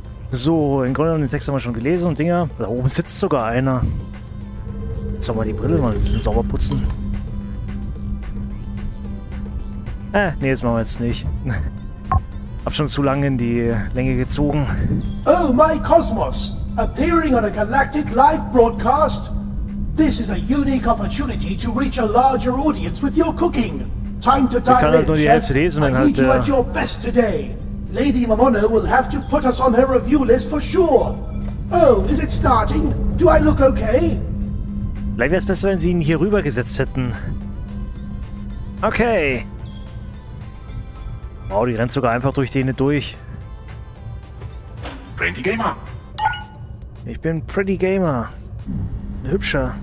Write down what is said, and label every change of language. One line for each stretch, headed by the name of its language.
German: So, im Grunde den Text haben wir schon gelesen und Dinger. Da oben sitzt sogar einer. Soll mal die Brille mal ein bisschen sauber putzen. Nee, jetzt machen wir jetzt nicht. Hab schon zu lange in die Länge gezogen.
English: Oh, my Cosmos! Appearing on a galactic live broadcast? This is a unique opportunity to reach a larger audience with your cooking. Time to dive in.
German: Ich kann halt nur die Hälfte lesen, wenn halt.
English: I need you at your best today. Lady Mamono will have to put us on her review list for sure. Oh, is it starting? Do I look okay?
German: Vielleicht wäre es besser, wenn sie ihn hier rübergesetzt hätten. Okay. Wow, die rennt sogar einfach durch denen durch.
English: Pretty Gamer.
German: Ich bin Pretty Gamer. Ein Hübscher.